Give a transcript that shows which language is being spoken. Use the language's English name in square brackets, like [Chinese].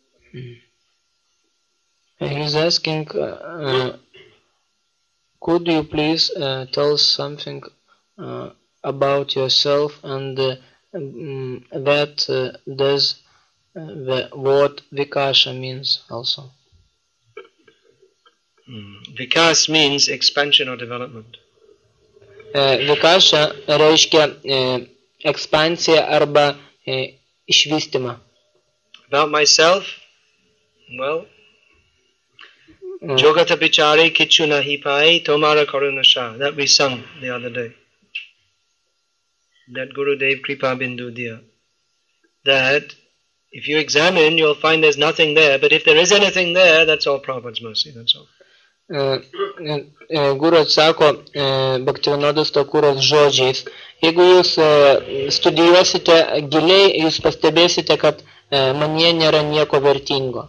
[English] He's asking, could you please tell something about yourself and that does the word Vikasa means also? Vikas means expansion or development. [Lithuanian] Vikasa reiškia ekspansija arba išvystymą. [English] About myself? Well... [Bangla] Jogata bichare kichu nahi pai tomara karuna sha, [English] that we sung the other day. [Bangla] That Gurudev Kripa Bindu dia. [English] That if you examine, you'll find there's nothing there, but if there is anything there, that's all Prabhupada's mercy, that's all. [Lithuanian] Guru atsako Bhaktivinodas Takuras žodžiais. Jeigu jūs studijuosite giliai, jūs pastebėsite, kad manie nėra nieko vertingo.